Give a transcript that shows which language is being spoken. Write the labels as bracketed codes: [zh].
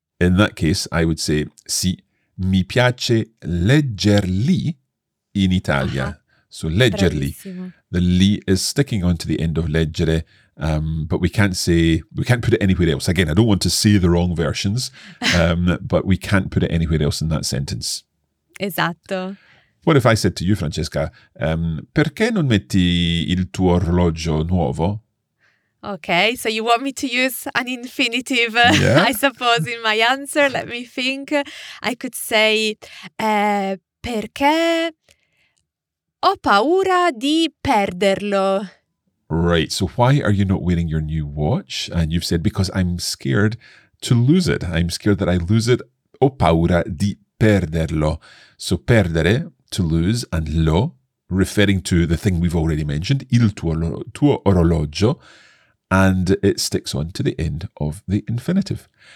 [en] In that case, I would say, [it] sì, mi piace leggerli in Italia. [en] So leggerli. [it] Bravissimo. [en] The li is sticking onto the end of leggere. But we can't put it anywhere else. Again, I don't want to say the wrong versions, but we can't put it anywhere else in that sentence. [it] Esatto. [en] What if I said to you, Francesca, [it] perché non metti il tuo orologio nuovo? [en] Okay, so you want me to use an infinitive, yeah. I suppose, in my answer. Let me think. I could say, [it] perché ho paura di perderlo. [en] Right, so why are you not wearing your new watch? And you've said, because I'm scared to lose it. I'm scared that I lose it. [it] Ho paura di perderlo. [en] So perdere, to lose, and lo, referring to the thing we've already mentioned, [it] il tuo orologio, [en] and it sticks on to the end of the infinitive.